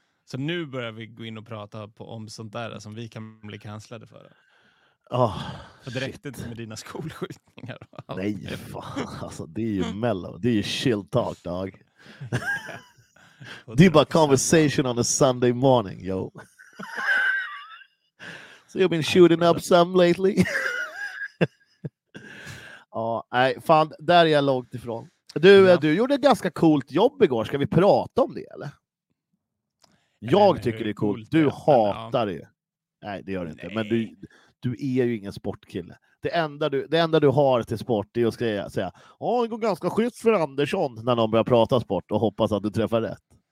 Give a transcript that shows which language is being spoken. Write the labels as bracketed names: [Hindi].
[Swedish] Så nu börjar vi gå in och prata på, om sånt där som vi kan bli kanslade för. Oh, för det räckte inte med dina skolskjutningar. Nej, fan. Alltså, det är ju mellow. Det är ju [English] chill talk, dog. [Swedish] Det är bara [English] conversation on a Sunday morning, yo. So you've been shooting up some lately? [Swedish] Ja, nej, fan, där är jag långt ifrån. Du gjorde ett ganska coolt jobb igår. Ska vi prata om det, eller? Jag tycker det är coolt. Du hatar det. Nej, det gör du inte. Men du är ju ingen sportkille. Det enda du har till sport är att säga det går ganska schysst för Andersson när någon börjar prata sport och hoppas att du träffar rätt.